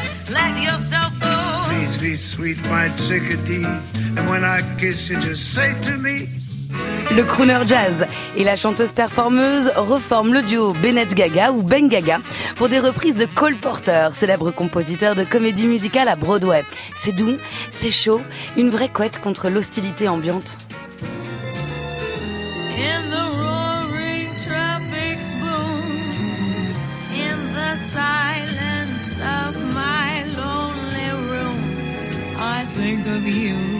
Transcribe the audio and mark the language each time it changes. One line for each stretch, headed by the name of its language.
English: Let yourself go. Please be sweet, my chickadee. And when I kiss you, just say to me.
French: Le crooner jazz et la chanteuse-performeuse reforment le duo Bennett Gaga ou Ben Gaga pour des reprises de Cole Porter, célèbre compositeur de comédie musicale à Broadway. C'est doux, c'est chaud, une vraie couette contre l'hostilité ambiante.
English: In the roaring traffic's boom, in the silence of my lonely room, I think of you.